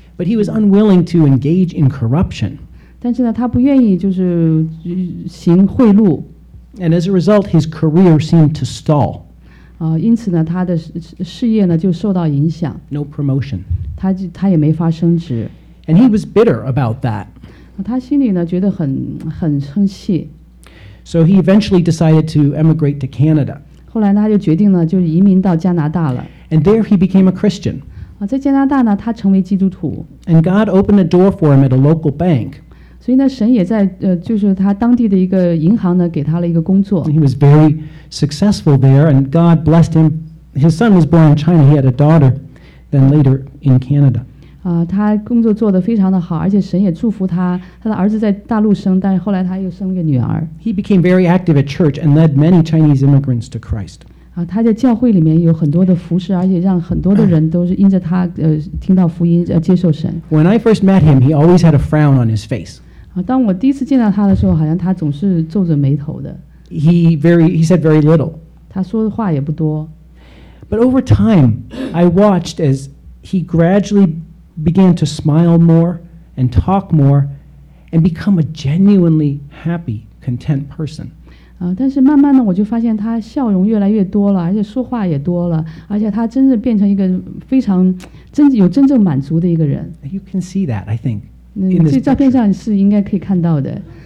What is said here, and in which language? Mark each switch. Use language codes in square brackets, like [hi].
[en] But he was unwilling to engage in corruption. [zh] 但是呢，他不愿意就是行贿赂。 [en] And as a result, his career seemed to stall. [zh] 因此呢，他的事业呢就受到影响。 [en] No promotion. [zh] 他也没法升职。 [en] And he was bitter about that. [zh] 他心里呢觉得很生气。 [en] So he eventually decided to emigrate to Canada. [zh] 后来呢，他就决定了就移民到加拿大了。 [en] And there he became a Christian. [zh] 在加拿大呢，他成为基督徒。 [en] And God opened a door for him at a local bank. [zh] 所以呢，神也在就是他当地的一个银行呢，给他了一个工作。 [en] He was very successful there, and God blessed him. His son was born in China. He had a daughter, then later in Canada. [zh] 他工作做得非常的好，而且神也祝福他。他的儿子在大陆生，但是后来他又生了个女儿。 [en] He became very active at church and led many Chinese immigrants to Christ. [zh] 他在教会里面有很多的服事，而且让很多的人都是因着他听到福音接受神。 [en] When I first met him, he always had a frown on his face. [zh] 当我第一次见到他的时候，好像他总是皱着眉头的。 [en] He said very little. [zh] 他说的话也不多。 [en] But over time, I watched as he gradually began to smile more and talk more and become a genuinely happy, content person. [zh] 但是慢慢的我就发现他笑容越来越多了，而且说话也多了，而且他真正变成一个非常有真正满足的一个人。 [en] You can see that, I think. [zh] 这照片上是应该可以看到的。